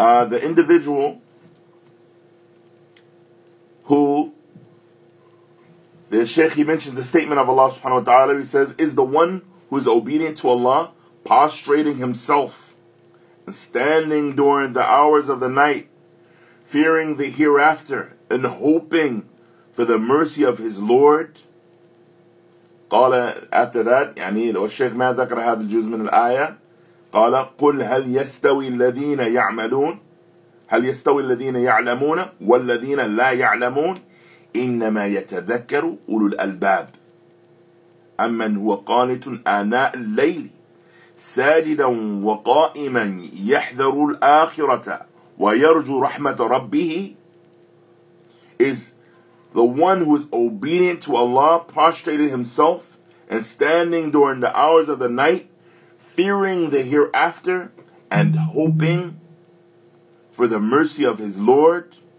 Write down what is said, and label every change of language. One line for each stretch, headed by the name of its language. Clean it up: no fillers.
English: The individual who, the Shaykh, he mentions the statement of Allah subhanahu wa ta'ala, he says, is the one who is obedient to Allah, prostrating himself, and standing during the hours of the night, fearing the hereafter, and hoping for the mercy of his Lord.
Arabic: قال,
English: after that,
Arabic: يعني الشيخ ما ذكر هذا الجزء من الآية, قال, قل هل يستوي الذين يعملون, هل يستوي الذين يعلمون والذين لا يعلمون, إنما يتذكر أولو الألباب. أمن هو قانت آناء الليل ساجدا وقائما يحذر الآخرة ويرجو رحمة ربه,
English: is the one who is obedient to Allah, prostrated himself and standing during the hours of the night, fearing the hereafter and hoping for the mercy of his Lord.